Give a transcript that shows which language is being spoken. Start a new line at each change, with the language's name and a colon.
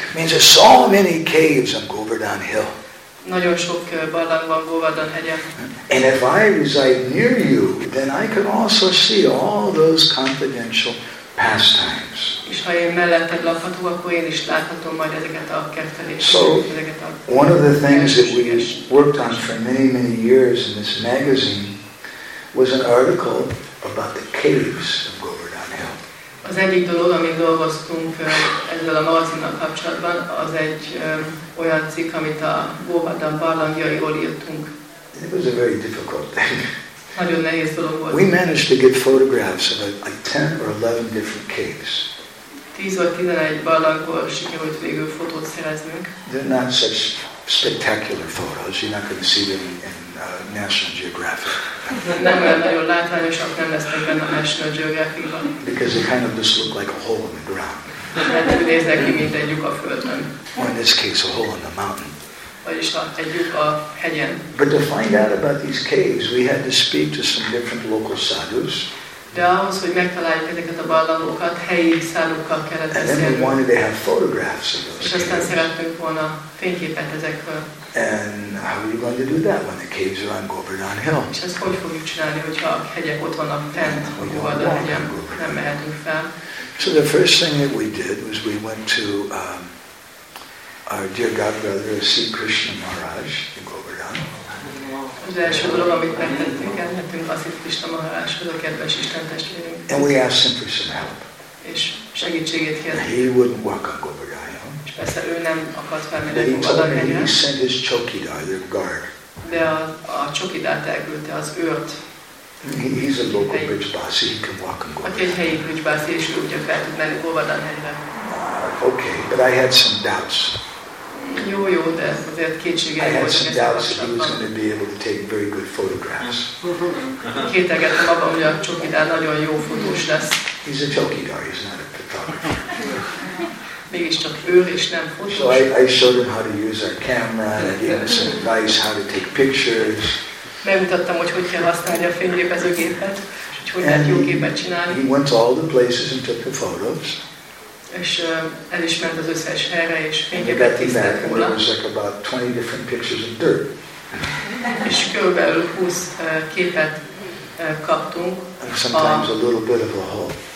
English: Means there's so many caves on Govardhan Hill.
Hungarian: Nagyon sok barlang van Govardhan hegyen.
English: And if I reside near you, then I can also see all those confidential pastimes.
Hungarian: És ha én melletted lakhatok, akkor én is láthatom majd ezeket a kefteléseket.
English: So, one of the things that we worked on for many, many years in this magazine was an article about the caves of Govardhan Hill.
Hungarian: Az egyik dolog, amit dolgoztunk ezzel a magazinnal kapcsolatban, az egy olyan cikk, amit a Govardhan barlangjairól írtunk.
English: It was a very difficult thing.
Hungarian: Nagyon nehéz dolog volt.
English: We managed to get photographs of like 10 or 11 different caves.
Hungarian: 10 vagy 11 barlangból sikerült végül fotót szereznünk.
English: They're not such spectacular photos. You're not going to see them in National Geographic.
Hungarian: Nem olyan nagyon látványosak, nem lesznek benne a National Geographic-ban.
English: Because they kind of just look like a hole in the ground.
Hungarian: Mert úgy néznek ki, mint egy lyuk a földön.
English: Or in this case, a hole in the mountain.
Hungarian: Vagyis egy lyuk a hegyen.
English: But to find out about these caves, we had to speak to some different local sadhus.
Hungarian: De ahhoz, hogy megtaláljuk ezeket a barlangokat, helyi szállókkal kellett beszélni.
English: And then we wanted to have photographs of those caves.
Hungarian: És aztán szerettünk volna fényképet ezekről.
English: And how are you going to do that when the caves are on Govardhan Hill?
Hungarian: És ezt hogy fogjuk csinálni, hogyha a hegyek ott vannak fent, hogy hova a hegyen nem mehetünk fel.
English: So the first thing that we did was we went to our dear godbrother, Sri Krishna Maharaj in Govardhan.
Hungarian: Az első dolog, amit megtettünk, elmentünk a Sri Krishna Maharajhoz, a kedves Isten testvérünk.
English: And we asked him for some help.
Hungarian: És segítségét kértük.
English: He wouldn't walk on Govardhan Hill.
Hungarian: És persze ő nem akart felmenni Govardhan
English: Hillre. He sent his chokidar, their guard.
Hungarian: De a chokidart elküldte, az őrt.
English: He's a local bridge bossy, he can walk on Govardhan
Hungarian: Hill. Aki egy helyi bridge bossy, és ő ugye fel tud menni Govardhan Hillre.
English: okay, but I had some doubts.
Hungarian: Jó, de azért kétségem volt.
English: I had some doubts he was going to be able to take very good photographs.
Hungarian: Kételkedtem abban, hogy a csokidár nagyon jó fotós lesz.
English: He's a chokidar, he's not a photographer.
Hungarian: Mégiscsak ő és nem fotós.
English: So I showed him how to use our camera, and I gave him some advice how to take pictures.
Hungarian: Megmutattam, hogy kell használni a fényképezőgépet.
English: And he went to all the places and took the photos. And he got the map, and there was like about 20 different pictures of dirt. And sometimes a little bit of a hole.